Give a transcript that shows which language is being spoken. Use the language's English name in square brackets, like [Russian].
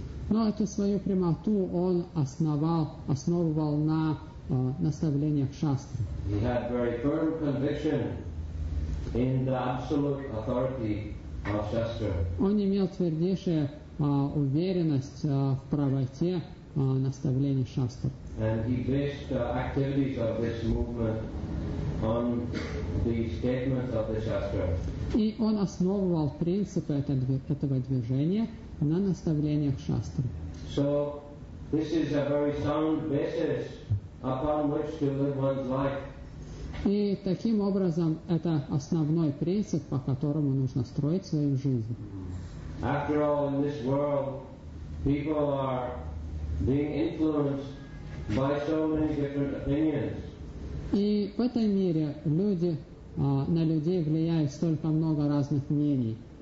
[Russian] Но эту свою прямоту он основывал на наставлениях шастры. [English] He had very firm conviction in the absolute authority of shastra. [Russian] Он имел твердейшую уверенность в правоте наставлений шастр. [English] And he based the activities of this movement on the statements of the shastra. [Russian] И он основывал принципы этого движения на наставлениях шастры. [English] So, this is a very sound basis upon which to live one's life. [Russian] И таким образом, это основной принцип, по которому нужно строить свою жизнь. [English] After all, in this world, people are being influenced by so many different opinions. [Russian] И в этом мире люди... На людей влияет столько много разных мнений.